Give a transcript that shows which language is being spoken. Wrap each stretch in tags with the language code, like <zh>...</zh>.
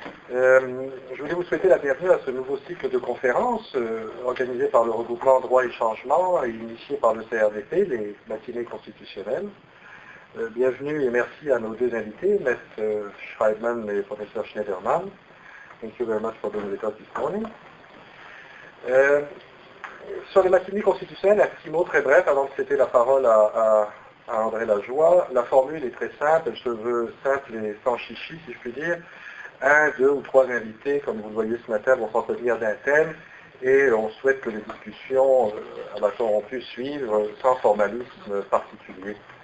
<fr>Je voulais vous souhaiter la bienvenue à ce nouveau cycle de conférences organisé par le regroupement Droit et Changement et initié par le CRDP, les matinées constitutionnelles. Bienvenue et merci à nos deux invités, Maître Scheidman et Professeur Schneiderman.</fr> <en>Thank you very much for being with us this morning.</en> <fr>Sur les matinées constitutionnelles, un petit mot très bref avant de céder la parole à André Lajoie. La formule est très simple, elle se veut simple et sans chichi, si je puis dire. Un, deux ou trois invités, comme vous le voyez ce matin, vont s'entretenir d'un thème et on souhaite que les discussions à la fois ont pu suivre sans formalisme particulier.</fr>